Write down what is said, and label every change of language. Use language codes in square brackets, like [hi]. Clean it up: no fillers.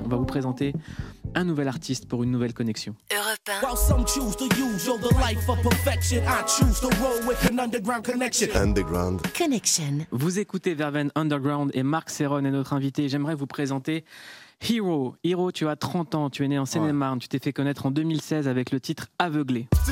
[fr] On va vous présenter un nouvel artiste pour une nouvelle connexion. [en] While some choose the usual, the life of perfection, I choose to roll with an underground connection. Underground Connection. [fr] Vous écoutez Verven Underground et Marc Serron est notre invité. J'aimerais vous présenter Hero. Hero, tu as 30 ans, tu es né en Seine-et-Marne, ouais. Tu t'es fait connaître en 2016 avec le titre Aveuglé.